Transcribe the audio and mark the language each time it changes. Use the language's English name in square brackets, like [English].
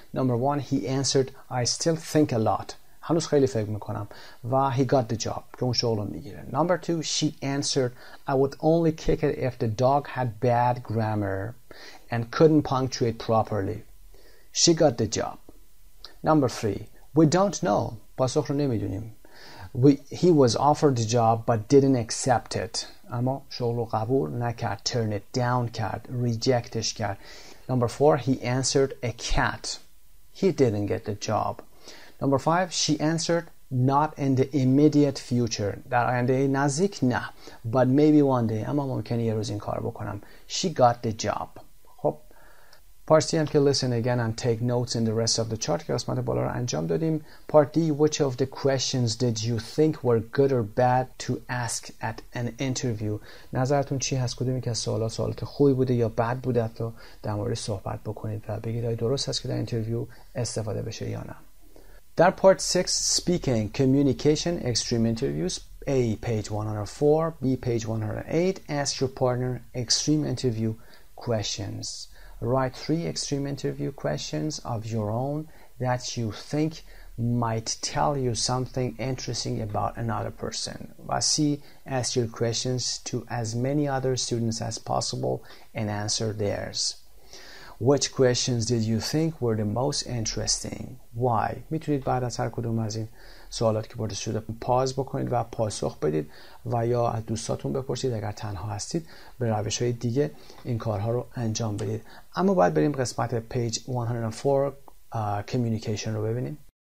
[English] Number 1, he answered I still think a lot. [Persian] هنوز خیلی فکر میکنم و [English] he got the job [Persian] که اون شغل رو میگیره. [English] Number 2, she answered I would only kick it if the dog had bad grammar and couldn't punctuate properly. She got the job. Number 3, we don't know. [Persian] پاسخ رو نمیدونیم. [English] He was offered the job but didn't accept it. [Persian] اما شغل رو قبول نکرد. [English] Turn it down [Persian] کرد. Rejectش کرد. [English] Number 4, he answered a cat. He didn't get the job. Number 5, she answered not in the immediate future. [Persian] در آینده نزدیک نه. [English] But maybe one day. [Persian] اما ممکنه یه روز این کار بکنم. [English] She got the job. [Persian] خب Part C هم که [English] listen again and take notes in the rest of the chart [Persian] که قسمت بالا رو انجام دادیم. [English] Part D, which of the questions did you think were good or bad to ask at an interview? [Persian] نظرتون چی هست؟ کدومی که از سوالات سوالات خوبی بوده یا بد بوده تا در مورد صحبت بکنید و بگید آیا درست هست که در اینترویو استفاده بشه یا نه. [English] در Part 6, Speaking, Communication, Extreme Interviews, A, page 104, B, page 108, Ask your partner extreme interview questions. Write 3 extreme interview questions of your own that you think might tell you something interesting about another person. C, ask your questions to as many other students as possible and answer theirs. Which questions did you think were the most interesting? Why? [Persian] میتونید بعد از هر کدوم از این سوالات که برده شده پاز بکنید و پاسخ بدید و یا از دوستاتون بپرسید اگر تنها هستید به روش های دیگه این کارها رو انجام بدید. اما باید بریم قسمت پیج 104 communication رو ببینیم.